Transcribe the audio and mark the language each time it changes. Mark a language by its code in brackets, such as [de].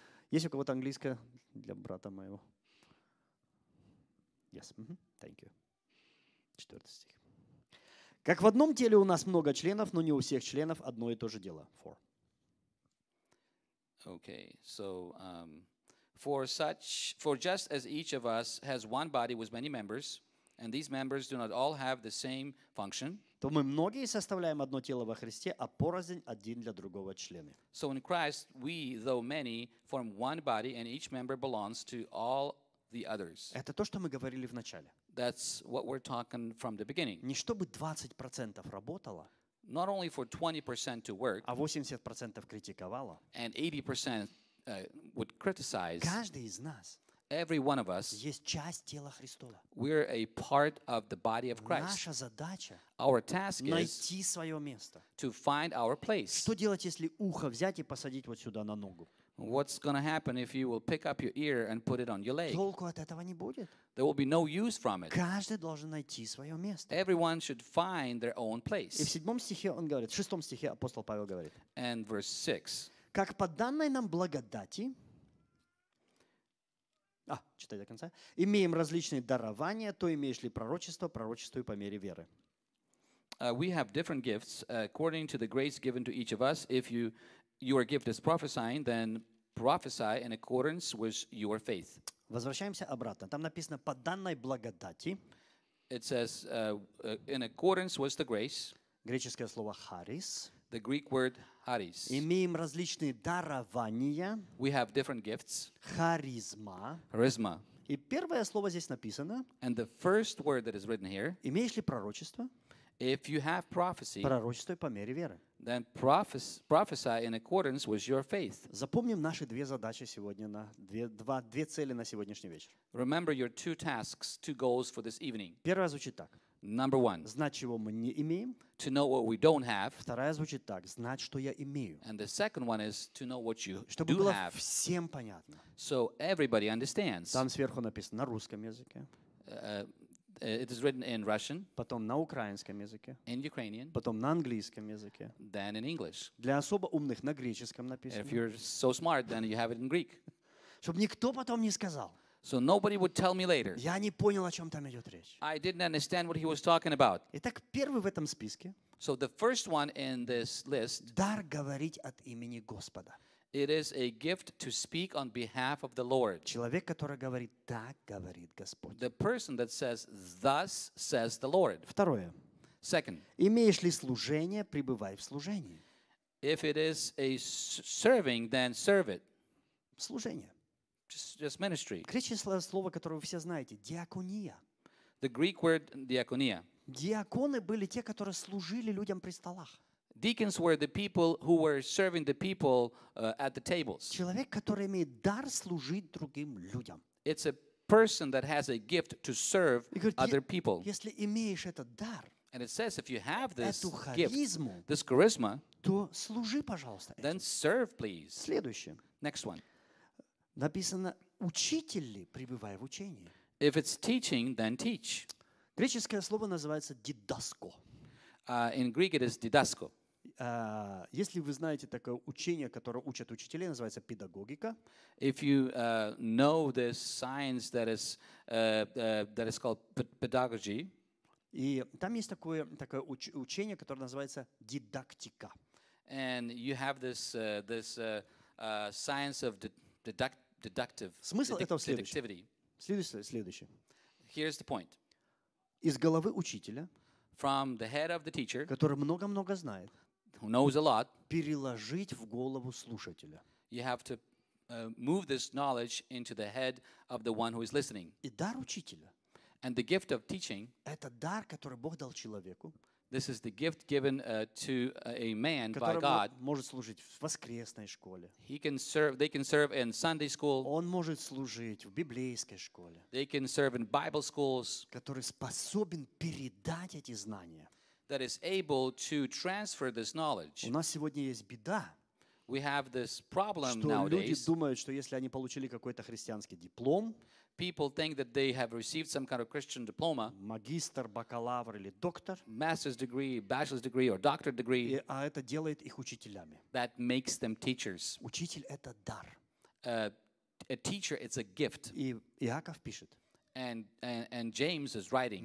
[ru] Есть у кого-то английское для брата моего? [en] Yes. Mm-hmm. Thank you. [ru] 4 стих. Как в одном теле у нас много членов, но не у всех членов одно и то же дело. 4. [en] Okay. So, for just as each of us has one body with many members, and these members do not all have the same function, [ru] то мы многие составляем одно тело во Христе, а порознь один для другого члены. [en] So in Christ, we, though many, form one body, and each member belongs to all the others. [ru] Это то, что мы говорили в начале. [en] That's what we're talking from the beginning. [ru] Не чтобы 20% работало, [en] not only for 20% to work, [ru] а 80% критиковало, [en] and 80% would criticize. [ru] Каждый из нас, [en] every one of us, [ru] есть часть тела Христова. [en] We're a part of the body of Christ. [ru] Наша задача, [en] our task is [ru] найти свое место, [en] to find our place. [ru] Что делать, если ухо взять и посадить вот сюда на ногу? [en] What's going to happen if you will pick up your ear and put it on your leg? [ru] Толку от этого не будет. [en] There will be no use from it. [ru] Каждый должен найти свое место. [en] Everyone should find their own place. [ru] И в седьмом стихе он говорит, в шестом стихе апостол Павел говорит. [en] And verse 6. [ru] Как по данной нам благодати, читай до конца. Имеем различные дарования, то имеешь ли пророчество, пророчествуй по мере веры. [en] We have different gifts according to the grace given to each of us. If your gift is prophesying, then prophesy in accordance with your faith. [ru] Возвращаемся обратно. Там написано по данной благодати. [en] It says in accordance with the grace. [ru] Греческое слово харис. [en] The Greek word харис. [ru] Имеем различные дарования. [en] We have different gifts. [ru] Харизма. Харизма. И первое слово здесь написано. [en] And the first word that is written here. [ru] Имеешь ли пророчество? [en] If you have prophecy, [ru] пророчествуй по мере веры. [en] Then prophesy in accordance with your faith. [ru] Запомним наши две задачи сегодня на две цели на сегодняшний вечер. [en] Remember your two tasks, two goals for this evening. [ru] Первая звучит так. [en] Number one. [ru] Знать, чего мы не имеем. [en] To know what we don't have. [ru] Вторая звучит так. Знать, что я имею. [en] And the second one is to know what you do have. [ru] Чтобы было всем понятно. [en] So everybody understands. [ru] Там сверху написано на русском языке. [en] It is written in Russian. [ru] Потом на украинском языке. [en] In Ukrainian. [ru] Потом на английском языке. [en] Then in English. [ru] Для особо умных на греческом написано. [en] If you're so smart, then you have it in Greek. [ru] Чтобы никто потом не сказал. [en] So nobody would tell me later. [ru] Я не понял, о чем там идет речь. [en] I didn't understand what he was talking about. [ru] Итак, первый в этом списке. [en] So the first one in this list. [ru] Дар говорить от имени Господа. [en] It is a gift to speak on behalf of the Lord. [ru] Человек, который говорит, так говорит Господь. [en] The person that says, thus says the Lord. [ru] Второе. [en] Second. [ru] Имеешь ли служение, пребывай в служении. [en] If it is a serving, then serve it. [ru] Служение. [en] Just ministry. [ru] Греческое слово, которое вы все знаете, диакония. [en] The Greek word diakonia. [ru] Диаконы были те, которые служили людям при столах. [en] Deacons were the people who were serving the people at the tables. [ru] Человек, который имеет дар служить другим людям. [en] It's a person that has a gift to serve other people. [ru] Если имеешь этот дар, [en] and it says if you have this [ru] харизму, [en] gift, this charisma, [ru] то служи, пожалуйста. [en] Then serve, please. [ru] Следующее. [en] Next one. [ru] Написано, учитель ли, пребывая в учении. [en] If it's teaching, then teach. [ru] Греческое слово называется дидаско. [en] In Greek it is didasko. [ru] Если вы знаете такое учение, которое учат учителей, называется педагогика. [en] If you know this science that is called pedagogy. [ru] И там есть такое учение, которое называется дидактика. [en] And you have this science of deductive. [ru] Смысл этого следующий. Следующий. [en] Here's the point. [ru] Из головы учителя. [en] From the head of the teacher, [ru] который много-много знает, [en] who knows a lot, [ru] переложить в голову слушателя. [en] You have to move this knowledge into the head of the one who is listening. [ru] И дар учителя. [en] And the gift of teaching. [ru] Это дар, который Бог дал человеку. [en] This is the gift given to a man by God. [ru] Может служить в воскресной школе. [en] He can serve. They can serve in Sunday school. [ru] Он может служить в библейской школе. [en] They can serve in Bible schools. [ru] Который способен передать эти знания. [en] That is able to transfer this knowledge. [ru] У нас сегодня есть беда. [en] We have this problem [ru] что [en] nowadays. [ru] Что люди думают, что если они получили какой-то христианский диплом. [en] People think that they have received some kind of Christian diploma, [ru] магистр, бакалавр или доктор, [en] master's degree, bachelor's degree, or doctorate degree, [ru] и, а это делает их учителями. [en] That makes them teachers. [ru] Учитель — это дар. [en] A teacher, it's a gift. [ru] И Иаков пишет. [en] And James is writing.